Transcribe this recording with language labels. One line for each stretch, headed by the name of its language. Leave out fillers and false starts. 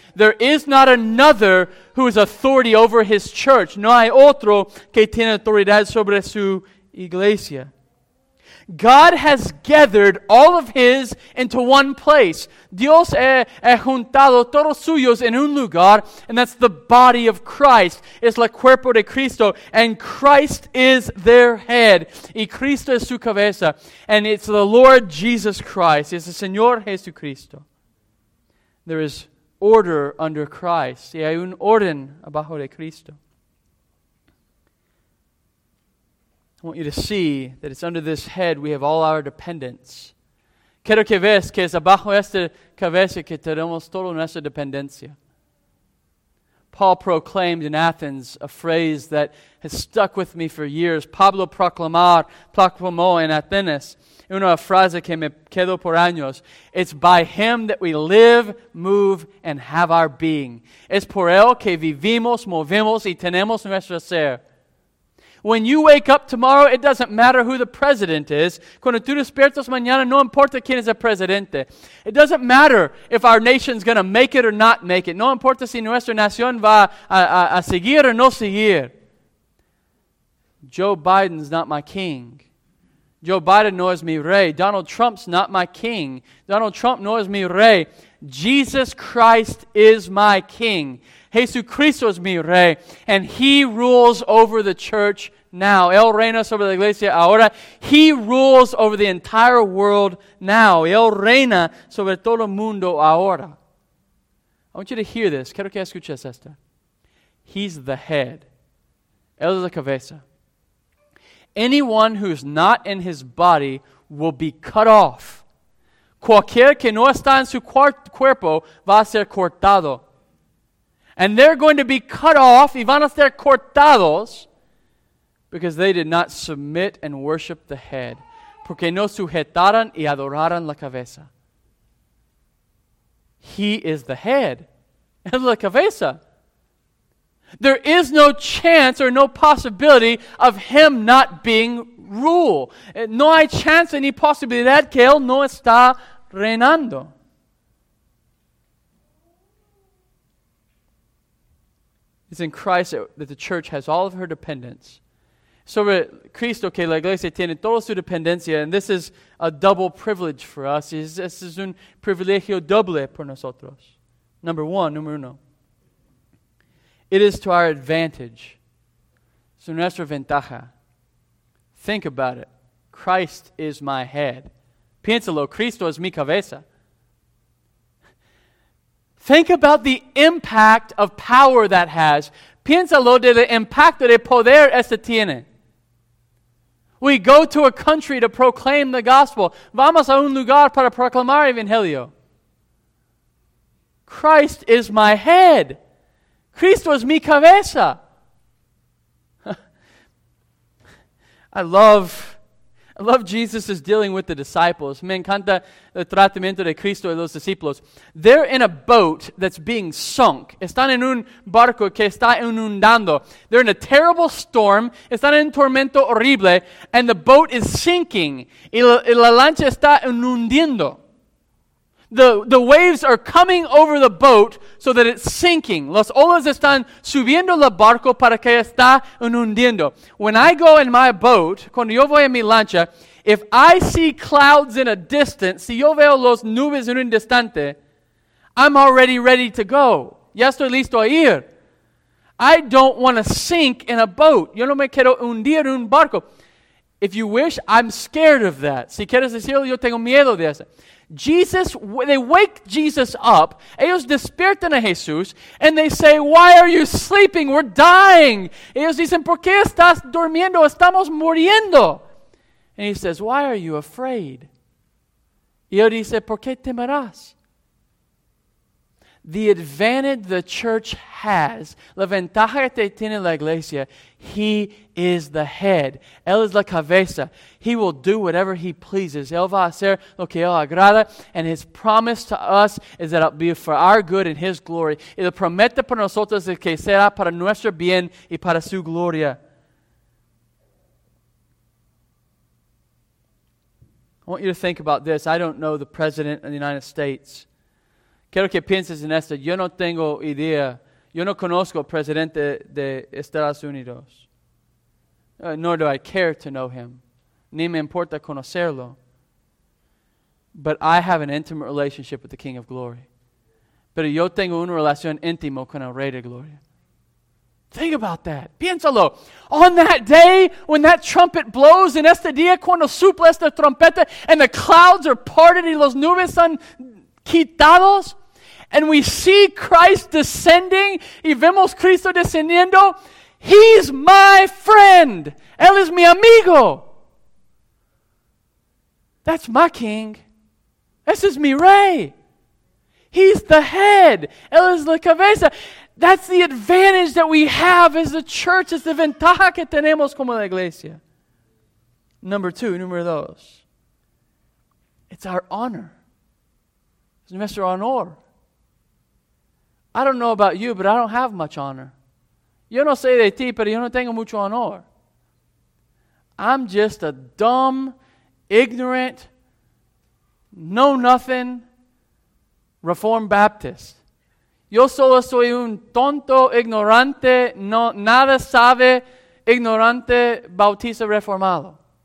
English: There is not another who is authority over his church.
Spanish: No hay otro que tiene autoridad sobre su iglesia.
English: God has gathered all of his into one place.
Spanish: Dios ha juntado todos suyos en un lugar,
English: and that's the body of Christ.
Spanish: Es la cuerpo de Cristo,
English: and Christ is their head.
Spanish: Y Cristo es su cabeza,
English: and it's the Lord Jesus Christ.
Spanish: Es el Señor Jesucristo.
English: There is order under Christ.
Spanish: Y hay un orden abajo de Cristo.
English: I want you to see that it's under this head we have all our dependence.
Spanish: Quiero que veas que es abajo esta cabeza que tenemos toda nuestra dependencia.
English: Paul proclaimed in Athens a phrase that has stuck with me for years.
Spanish: Pablo proclamó en Atenas una frase que me quedó por años.
English: It's by him that we live, move, and have our being.
Spanish: Es por él que vivimos, movemos, y tenemos nuestro ser.
English: When you wake up tomorrow, it doesn't matter who the president is.
Spanish: Cuando tú despiertas mañana, no importa quién es el presidente.
English: It doesn't matter if our nation's going to make it or not make it.
Spanish: No importa si nuestra nación va a seguir o no seguir.
English: Joe Biden's not my king.
Spanish: Joe Biden no es mi rey.
English: Donald Trump's not my king.
Spanish: Donald Trump no es mi rey.
English: Jesus Christ is my king.
Spanish: Jesucristo es mi rey,
English: and he rules over the church now.
Spanish: Él reina sobre la iglesia ahora.
English: He rules over the entire world now.
Spanish: Él reina sobre todo el mundo ahora.
English: I want you to hear this.
Spanish: Quiero que escuches esto.
English: He's the head.
Spanish: Él es la cabeza.
English: Anyone who's not in his body will be cut off.
Spanish: Cualquier que no está en su cuerpo va a ser cortado.
English: And they're going to be cut off,
Spanish: y van a ser cortados,
English: because they did not submit and worship the head.
Spanish: Porque no sujetaron y adoraron la cabeza.
English: He is the head.
Spanish: Es la cabeza.
English: There is no chance or no possibility of him not being rule.
Spanish: No hay chance ni posibilidad que él no está reinando.
English: It's in Christ that the church has all of her dependence.
Spanish: Sobre Cristo que la iglesia tiene toda su dependencia,
English: and this is a double privilege for us.
Spanish: Es un privilegio doble por nosotros.
English: Number one,
Spanish: número uno.
English: It is to our advantage.
Spanish: Es nuestra ventaja.
English: Think about it. Christ is my head.
Spanish: Piénsalo, Cristo es mi cabeza.
English: Think about the impact of power that has.
Spanish: Piénsalo de el impacto de poder este tiene.
English: We go to a country to proclaim the gospel.
Spanish: Vamos a un lugar para proclamar el evangelio.
English: Christ is my head.
Spanish: Cristo es mi cabeza.
English: I love Jesus is dealing with the disciples.
Spanish: Me encanta el tratamiento de Cristo y los discípulos.
English: They're in a boat that's being sunk.
Spanish: Están en un barco que está inundando.
English: They're in a terrible storm.
Spanish: Están en un tormento horrible.
English: And the boat is sinking.
Spanish: Y la lancha está inundando.
English: The waves are coming over the boat so that it's sinking.
Spanish: Las olas están subiendo el barco para que está hundiendo.
English: When I go in my boat,
Spanish: cuando yo voy en mi lancha,
English: if I see clouds in a distance,
Spanish: si yo veo las nubes en un distante,
English: I'm already ready to go.
Spanish: Ya estoy listo a ir.
English: I don't want to sink in a boat.
Spanish: Yo no me quiero hundir en un barco.
English: If you wish, I'm scared of that.
Spanish: Si quieres decirlo, yo tengo miedo de eso.
English: Jesus, they wake Jesus up,
Spanish: ellos despiertan a Jesús,
English: and they say, why are you sleeping? We're dying.
Spanish: Ellos dicen, ¿por qué estás durmiendo? Estamos muriendo.
English: And he says, why are you afraid?
Spanish: Y él dice, ¿por qué temerás?
English: The advantage the church has,
Spanish: la ventaja que tiene la iglesia,
English: he is the head.
Spanish: Él es la cabeza.
English: He will do whatever he pleases.
Spanish: Él va a hacer lo que él agrada.
English: And his promise to us is that it will be for our good and his glory.
Spanish: Él promete para nosotros que será para nuestro bien y para su gloria.
English: I want you to think about this. I don't know the president of the United States.
Spanish: Quiero que pienses en esto. Yo no tengo idea. Yo no conozco al presidente de Estados Unidos.
English: Nor do I care to know him.
Spanish: Ni me importa conocerlo.
English: But I have an intimate relationship with the King of Glory.
Spanish: Pero yo tengo una relación íntima con el Rey de Gloria.
English: Think about that.
Spanish: Piénsalo.
English: On that day when that trumpet blows,
Spanish: en este día cuando sopla esta trompeta,
English: and the clouds are parted
Spanish: y las nubes son quitados,
English: and we see Christ descending,
Spanish: y vemos Cristo descendiendo,
English: He's my friend.
Spanish: Él es mi amigo.
English: That's my King.
Spanish: Ese es mi Rey.
English: He's the head.
Spanish: Él es la cabeza.
English: That's the advantage that we have as a church.
Spanish: It's the ventaja que tenemos como la iglesia. Número dos.
English: It's our honor.
Spanish: It's nuestro honor.
English: I don't know about you, but I don't have much honor.
Spanish: Yo no sé de ti, pero yo no tengo mucho honor.
English: I'm just a dumb, ignorant, know-nothing Reformed Baptist.
Spanish: Yo solo soy un tonto, ignorante, no, nada sabe, ignorante, bautista reformado.